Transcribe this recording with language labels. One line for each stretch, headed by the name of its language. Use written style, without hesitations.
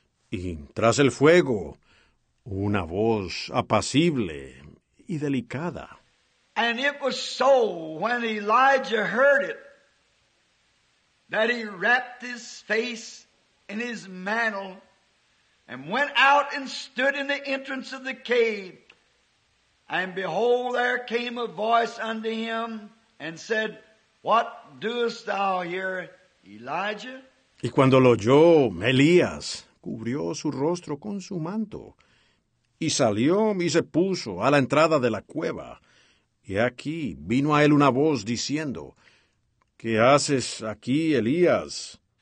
Spanish: Y tras el fuego, una voz apacible y delicada.
English: And it was so when Elijah heard it that he wrapped his face in his mantle and went out and stood in the entrance of the cave. And behold, there came a voice unto him and said, What doest thou here, Elijah?
Spanish: Y cuando lo oyó, Elías cubrió su rostro con su manto y salió y se puso a la entrada de la cueva. Y aquí vino a él una voz diciendo, ¿Qué haces aquí, Elías?